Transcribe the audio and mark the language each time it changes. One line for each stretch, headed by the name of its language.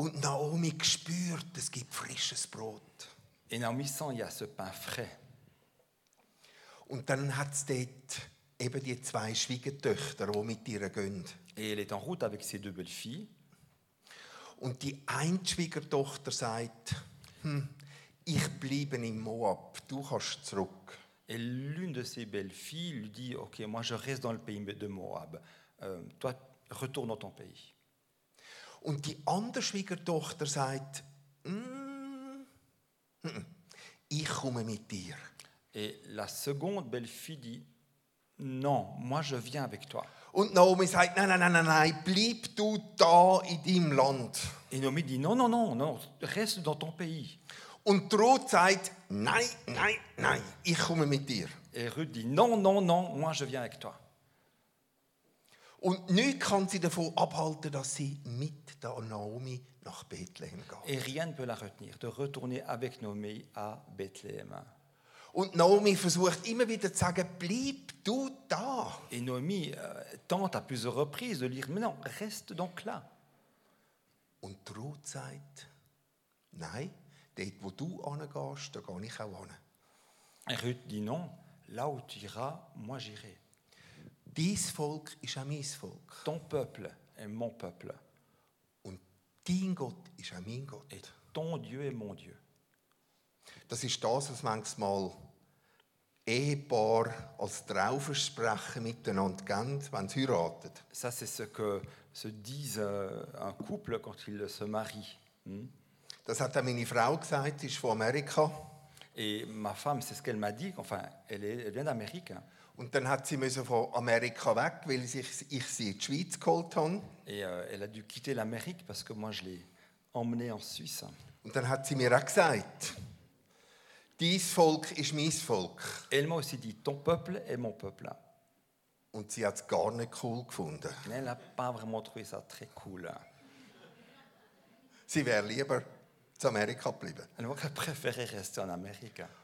German: Und Naomi spürt, es gibt frisches Brot.
French: Et Naomi sent, il y a ce pain frais.
German: Und dann hat es dort eben die zwei Schwiegertöchter, die mit ihr gehen.
French: Et elle est en route avec ses deux belles-filles.
German: Und die eine Schwiegertochter sagt, ich bleibe in Moab, du kannst zurück.
French: Et l'une de ses belles-filles lui dit, ok, moi je reste dans le pays de Moab. Toi, retourne dans ton pays.
German: Und die andere Schwiegertochter sagt, ich komme mit dir.
French: Et la seconde belle-fille dit, non, moi je viens avec toi.
German: Und Naomi sagt, nein, bleib du da in deinem Land.
French: Et Naomi dit, non, reste dans ton pays.
German: Und Ruth sagt, nein, ich komme mit dir.
French: Et Ruth dit, non, moi je viens avec toi.
German: Und nichts kann sie davon abhalten, dass sie mit der Naomi nach Bethlehem geht.
French: Et rien ne peut la retenir, de retourner avec Naomi à Bethlehem.
German: Und Naomi versucht immer wieder zu sagen, bleib du da.
French: Et Naomi tente à plusieurs reprises de lui dire, mais non, reste donc là.
German: Und Ruth sagt, nein, dort wo du hingehst, da gehe ich auch hin.
French: Et Ruth dit non, là où tu iras, moi j'irai.
German: Dein Volk ist auch mein Volk.
French: Ton peuple est mon peuple.
German: Und dein Gott ist auch mein Gott.
French: Et ton Dieu est mon Dieu.
German: Das ist das, was manchmal Ehepaar als Trauversprechen miteinander geben, wenn sie heiraten.
French: Ça, c'est ce que se disent un couple quand ils se marient.
German: Das hat auch meine Frau gesagt, sie ist von Amerika.
French: Et ma femme, c'est ce qu'elle m'a dit, enfin, elle vient d'Amérique.
German: Und dann hat sie müssen von Amerika weg, weil ich sie in die Schweiz geholt habe.
French: Et elle a dû quitter l'Amérique parce que moi je l'ai emmenée en Suisse.
German: Und dann hat sie mir auch gesagt, dein Volk ist mein Volk.
French: Elle m'a aussi dit, ton peuple est mon peuple.
German: Und sie hat es gar nicht cool gefunden.
French: Mais elle n'a pas vraiment trouvé ça très cool.
German: Sie wäre lieber zu Amerika geblieben.
French: Elle aurait préféré rester en Amérique.